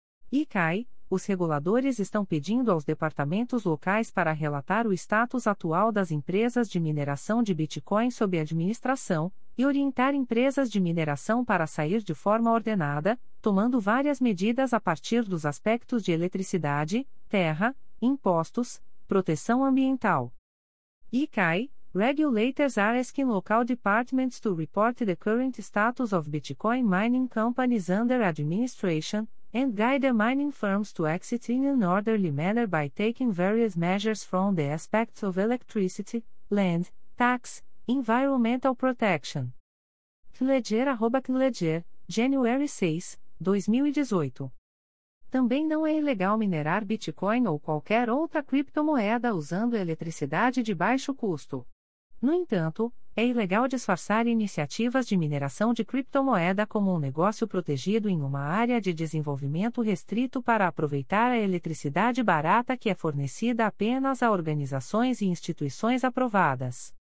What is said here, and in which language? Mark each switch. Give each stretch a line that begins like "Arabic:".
Portuguese: ICAI, os reguladores estão pedindo aos departamentos locais para relatar o status atual das empresas de mineração de Bitcoin sob administração e orientar empresas de mineração para sair de forma ordenada, tomando várias medidas a partir dos aspectos de eletricidade, terra, impostos, proteção ambiental.
English: ICAI, Regulators are asking local departments to report the current status of Bitcoin mining companies under administration and guide the mining firms to exit in an orderly manner by taking various measures from the aspects of electricity, land, tax, environmental protection. CNLEDGER@CNLEDGER, January 6, 2018.
Portuguese: Também não é ilegal minerar Bitcoin ou qualquer outra criptomoeda usando eletricidade de baixo custo. No entanto, é ilegal disfarçar iniciativas de mineração de criptomoeda como um negócio protegido em uma área de desenvolvimento restrito para aproveitar a eletricidade barata que é fornecida apenas a organizações e instituições aprovadas.